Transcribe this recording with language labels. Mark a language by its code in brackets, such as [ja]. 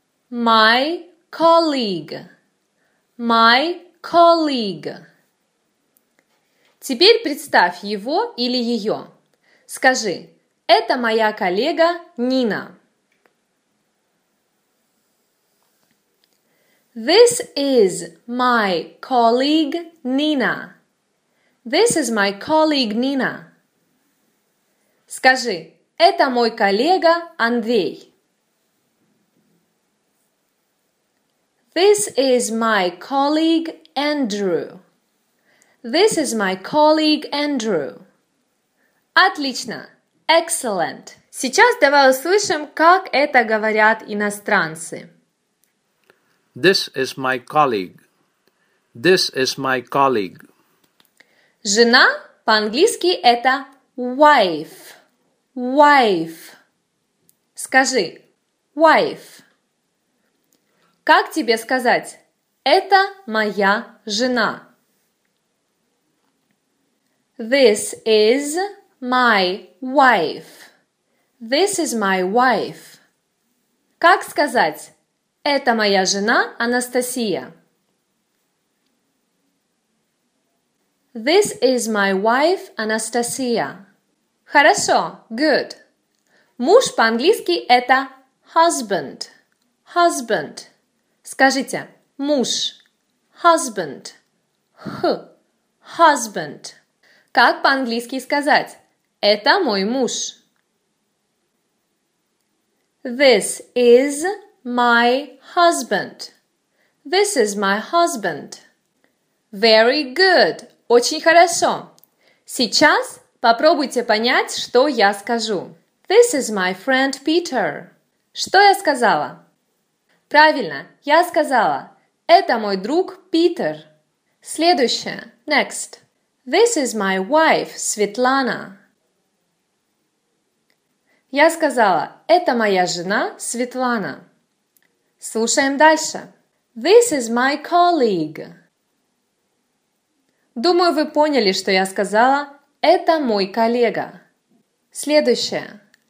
[en] My colleague. My colleague. [ru] Теперь представь его или ее. Скажи, это моя коллега Нина. [en] This is my colleague Nina. This is my colleague Nina. [ru] Скажи, это мой коллега Андрей. [en] This is my colleague Andrew. This is my colleague Andrew. [ru] Отлично! [en] Excellent! [ru] Сейчас давай услышим, как это говорят иностранцы. [en] This is my colleague. This is my colleague. [ru] Жена по-английски это wife. [en] Wife. [ru] Скажи [en] wife. [ru] Как тебе сказать? Это моя жена. [en] This is my wife. This is my wife. [ru] Как сказать? Это моя жена Анастасия. [en] This is my wife Anastasia. [ru] Хорошо, [en] good. [ru] Муж по-английски это husband. [en] Husband. [ru] Скажите, муж. [en] Husband. Х. Husband. [ru] Как по-английски сказать? Это мой муж. [en] This is my husband. This is my husband. Very good. [ru] Очень хорошо. Сейчас попробуйте понять, что я скажу. [en] This is my friend Peter. [ru] Что я сказала? Правильно, я сказала, это мой друг Питер. Следующее, [en] next. This is my wife, Светлана. [ru] Я сказала, это моя жена, Светлана. Слушаем дальше. [en] This is my colleague. [ru] Думаю, вы поняли, что я сказала, это мой коллега. Следующее.